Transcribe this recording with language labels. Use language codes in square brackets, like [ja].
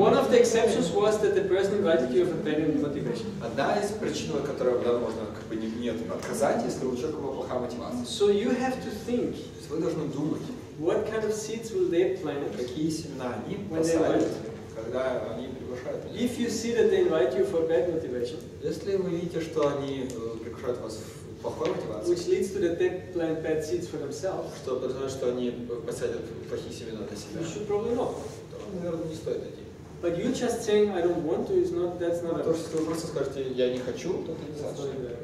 [en] One of the exceptions was that the person invited you of abandoned motivation. [ru] Одна из причин, которой да, можно как бы нет отказать, если у человека плохая мотивация. [en] So you have to think. [ru] То есть вы должны думать. [en] What kind of seeds will they plant? [ru] Какие семена они посадят, когда они приглашают? [en] If you see that they invite you for bad motivation. [ru] Если вы видите, что они приглашают вас в плохой мотивации. [en] Which leads to that they plant bad seeds for themselves. [ru] Что потому что они посадят плохие семена для себя. [en] You should probably know. [ru] Наверное, не стоит идти. [en] But you just saying I don't want to is not that's not. [ru] То, что вы просто скажете, я не хочу, то это не значит.